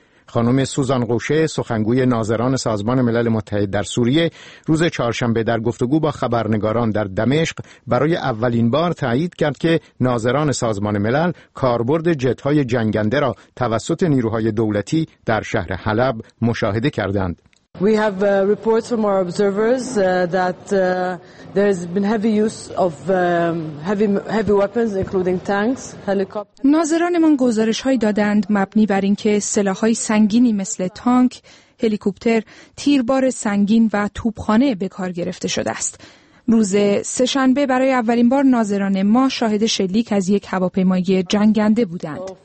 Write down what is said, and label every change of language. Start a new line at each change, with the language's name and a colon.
Persian: خانم سوزان قوشه، سخنگوی ناظران سازمان ملل متحد در سوریه، روز چهارشنبه در گفتگو با خبرنگاران در دمشق برای اولین بار تایید کرد که ناظران سازمان ملل کاربرد جت‌های جنگنده را توسط نیروهای دولتی در شهر حلب مشاهده کردند.
English: We have reports from our observers that there has been heavy use of heavy weapons including tanks, helicopters.
Persian: ناظرانمان گزارش‌های دادند مبنی بر اینکه سلاح‌های سنگینی مثل تانک، هلیکوپتر، تیربار سنگین و توپخانه به کار گرفته شده است. روز سه‌شنبه برای اولین بار ناظران ما شاهد شلیک از یک هواپیمای جنگنده بودند.